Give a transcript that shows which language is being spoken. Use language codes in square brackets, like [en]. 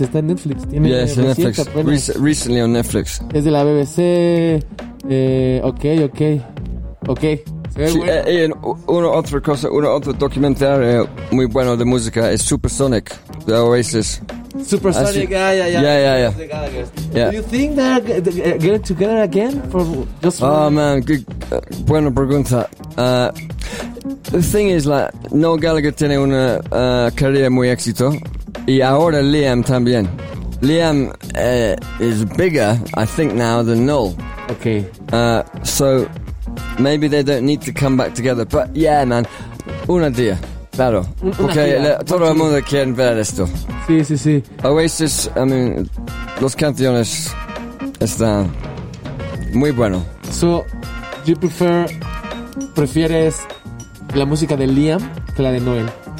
[es] Está en Netflix. Tiene [en] yes, en Netflix. Recently on Netflix. [es] Es de la BBC. Ok. Ok. Sí, bueno. Y una otra documentaria muy bueno de música es Supersonic de Oasis. Supersonic, yeah. [en] Do you think they're getting together again for just? Oh one? Man, good, [es] buena pregunta. [en] The thing is, like, [es] Noel Gallagher tiene una carrera muy éxito, y ahora Liam también. [en] Liam is bigger, I think, now than Noel. Okay. So. Maybe they don't need to come back together, but yeah, man, [es] una día, claro. Okay, todo el mundo quiere ver esto. Sí, sí, sí. Oasis, [en] I mean, [es] los canciones están muy bueno. So, you prefieres la música de Liam que la de Noel?